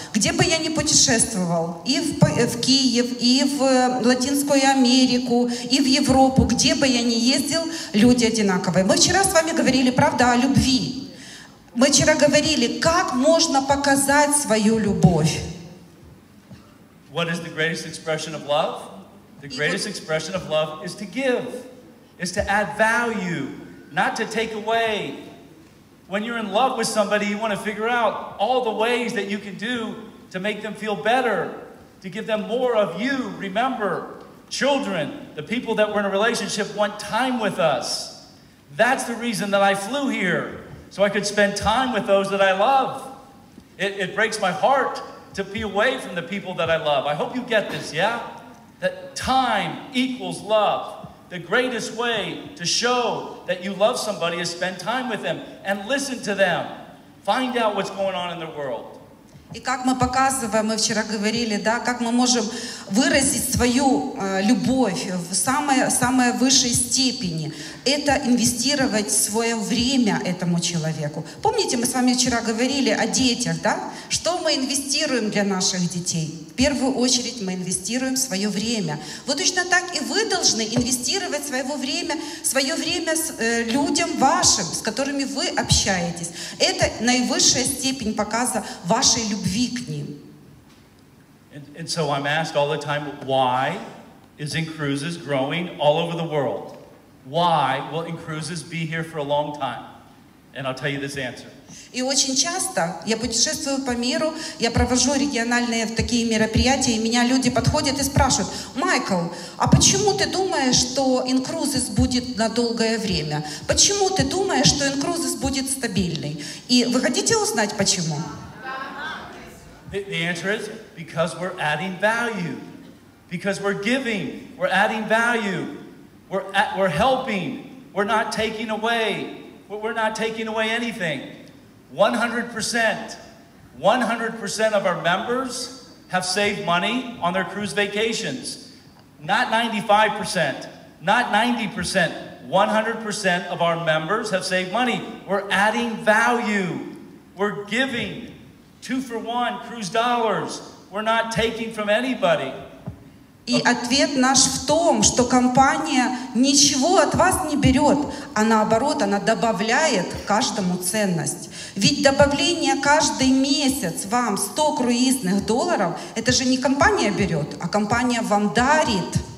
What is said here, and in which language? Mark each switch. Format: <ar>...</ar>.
<ru>Где бы я ни путешествовал, и в Киев, и в Латинскую Америку, и в Европу, где бы я ни ездил, люди одинаковые. Мы вчера с вами говорили, правда, о любви. Мы вчера говорили, как можно показать свою любовь.</ru> <en>What is the greatest expression of love? The greatest expression of love is to give, is to add value, not to take away. When you're in love with somebody, you want to figure out all the ways that you can do to make them feel better, to give them more of you. Remember, children, the people that we're in a relationship want time with us. That's the reason that I flew here, so I could spend time with those that I love. It breaks my heart to be away from the people that I love. I hope you get this, yeah? That time equals love. The greatest way to show that you love somebody is spend time with them and listen to them. Find out what's going on in their world.</en> <ru>И как мы показываем, мы вчера говорили, да, как мы можем выразить свою любовь в самой высшей степени, это инвестировать свое время этому человеку. Помните, мы с вами вчера говорили о детях, да? Что мы инвестируем для наших детей? В первую очередь мы инвестируем свое время. Вот точно так и вы должны инвестировать свое время с, людям вашим, с которыми вы общаетесь. Это наивысшая степень показа вашей любви.</ru> <en>And so I'm asked all the time, why is Incruises growing all over the world? Why will Incruises be here for a long time? And I'll tell you this answer.</en> <ru>И очень часто я путешествую по миру, я провожу региональные такие мероприятия, и меня люди подходят и спрашивают: Майкл, а почему ты думаешь, что Incruises будет на долгое время? Почему ты думаешь, что Incruises будет стабильный? И вы хотите узнать почему?</ru> <en>The answer is because we're adding value, because we're giving, we're adding value, we're helping, we're not taking away, we're not taking away anything. 100% of our members have saved money on their cruise vacations. Not 95%, not 90%, 100% of our members have saved money. We're adding value, we're giving. 2-for-1 cruise dollars. We're not taking from anybody.</en> <ru>И ответ наш в том, что компания ничего от вас не берет, а наоборот, она добавляет каждому ценность. Ведь добавление каждый месяц вам 100 круизных долларов, это же не компания берет, а компания вам дарит.</ru>